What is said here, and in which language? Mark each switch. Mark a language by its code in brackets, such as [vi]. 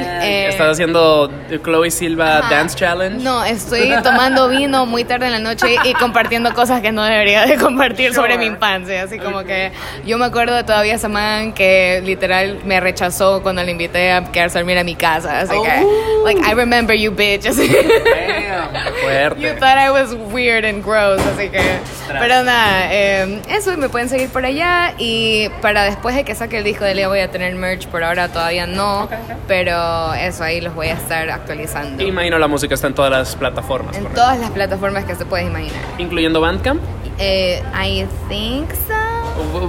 [en] Yeah. [es] ¿Estás haciendo Chloe Silva Dance Challenge? No, estoy tomando vino muy tarde en la noche y compartiendo cosas que no debería de compartir sobre mi infancia. Así como que yo me acuerdo de todavía esa man que literal me rechazó cuando le invité a quedarse a dormir a mi casa. Así que, [en] like, I remember you, bitch. [es] Así. [en] Damn, [es] fuerte. [en] You thought I was weird and gross, [es] así que... Tras. Pero nada, eso, me pueden seguir por allá. Y para después de que saque el disco de Leo voy a tener merch. Por ahora todavía no, pero eso, ahí los voy a estar actualizando. Y imagino la música está en todas las plataformas. En todas las plataformas que se puedes imaginar. ¿Incluyendo Bandcamp? [en] I think so.